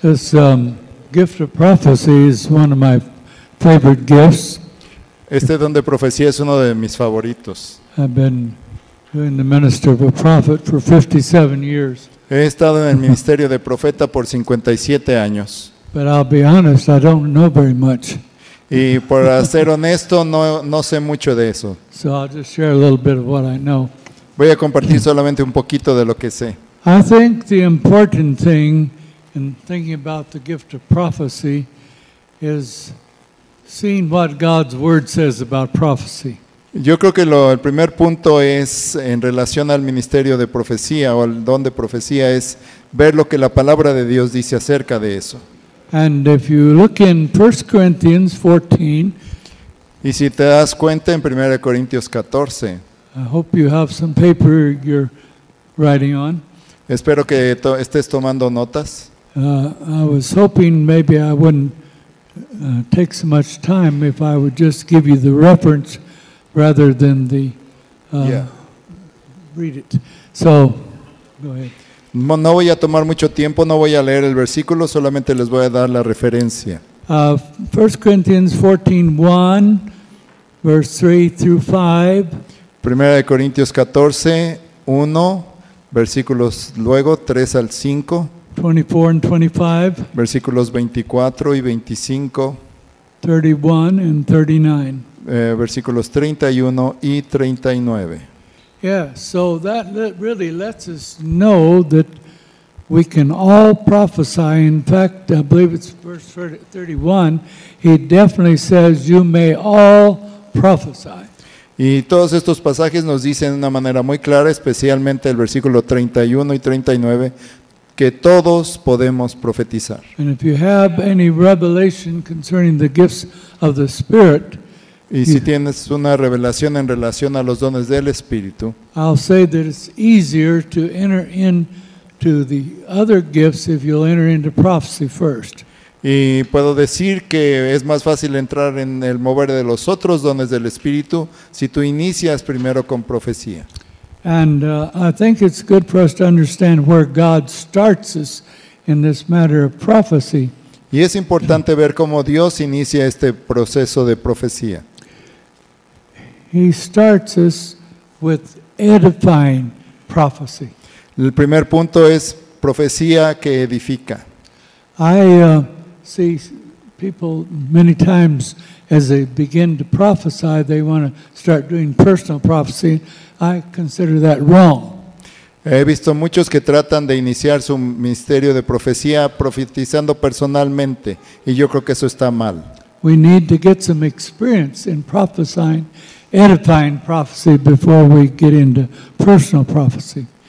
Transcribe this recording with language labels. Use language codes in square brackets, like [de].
[en] This gift of prophecy is one of my favorite gifts. [es] Este don de profecía es uno de mis favoritos. [en] I've been doing the ministry of a prophet for 57 years. [es] He estado en el ministerio de profeta por 57 años. [en] But I'll be honest, I don't know very much. [es] Y por ser honesto, no sé mucho de eso. [en] So I'll just share a little bit of what I know. [es] Voy a compartir solamente un poquito de lo que sé. [en] I think the important thing in thinking about the gift of prophecy is seeing what God's word says about prophecy. [es] Yo creo que el primer punto es en relación al ministerio de profecía o al don de profecía es ver lo que la palabra de Dios dice acerca de eso. [en] And if you look in 1 Corinthians 14, [es] y si te das cuenta en 1 Corintios 14, [en] I hope you have some paper you're writing on. [es] Espero que estés tomando notas. [en] I was hoping maybe I wouldn't take so much time if I would just give you the reference rather than the read it. So, go ahead. [es] No voy a tomar mucho tiempo, no voy a leer el versículo, solamente les voy a dar la referencia. [en] 1 Corinthians 14, 1, verse 3 through 5. [es] 1 Corintios 14, 1, versículos luego, 3 al 5. [en] 24 and 25. [es] Versículos 24 y 25. [en] 31 and 39. [es] Versículos 31 y 39. [en] Yeah, so that really lets us know that we can all prophesy. In fact, I believe it's verse 31. He definitely says, "You may all prophesy." [es] Y todos estos pasajes nos dicen de una manera muy clara, especialmente el versículo 31 y 39, que todos podemos profetizar. [en] And if you have any revelation concerning the gifts of the Spirit. [es] Y si tienes una revelación en relación a los dones del Espíritu, [en] I'll say that it's easier to enter into the other gifts if you'll enter into prophecy first. [es] Y puedo decir que es más fácil entrar en el mover de los otros dones del Espíritu si tú inicias primero con profecía. [en] And I think it's good for us to understand where God starts us in this matter of prophecy. [es] Y es importante ver cómo Dios inicia este proceso de profecía. [en] He starts us with edifying prophecy. [es] El primer punto es profecía que edifica. [en] I see people many times as they begin to prophesy, they want to start doing personal prophecy. I consider that wrong. [es] He visto muchos que tratan de iniciar su ministerio de profecía profetizando personalmente, y yo creo que eso está mal. [en] We need to get some experience in prophesying. Edifying prophecy before we get into personal prophecy.